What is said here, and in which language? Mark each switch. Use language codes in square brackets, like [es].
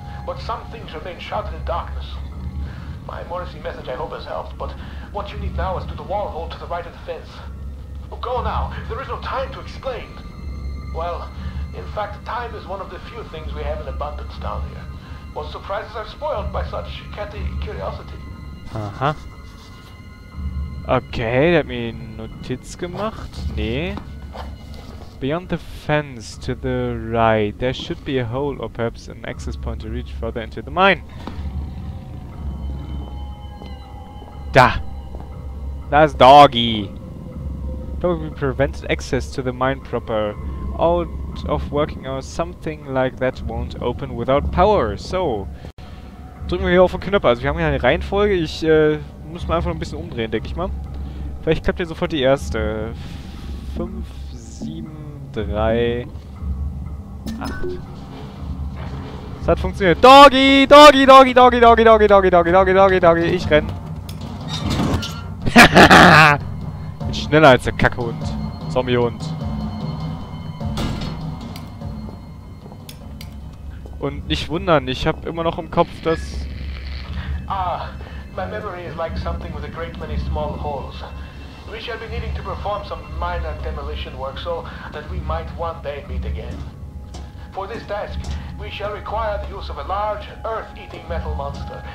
[en] But some things remain shrouded in darkness. My Morrissey message, I hope, has helped. But What you need now is through the wall hole to the right of the fence. Oh, go now. There is no time to explain. Well, in fact, time is one of the few things we have in abundance down here. What surprises are spoiled by such catty curiosity. Aha. [de] Okay, der hat mir Notiz gemacht. Nee. [en] Beyond the fence, to the right, there should be a hole or perhaps an access point to reach further into the mine. Da! That's doggy! Probably prevented access to the mine proper. Out of working or something like that won't open without power. [de] So, drücken wir hier auf den Knöpfer. Also wir haben hier eine Reihenfolge. Ich muss mal einfach ein bisschen umdrehen, denke ich mal. Vielleicht klappt hier sofort die erste. 5, 7, 3, 8. Es hat funktioniert. Doggy, Doggy, Doggy, Doggy, Doggy, Doggy, Doggy, Doggy, Doggy, Doggy, Doggy, ich renn. Ich bin schneller als der Kackhund. Zombiehund. Und nicht wundern, ich hab immer noch im Kopf, dass... [en] Ah, my memory is like something with a great many small holes. We shall be needing to perform some minor demolition work so that we might one day meet again. For this task, we shall require the use of a large, earth-eating metal monster.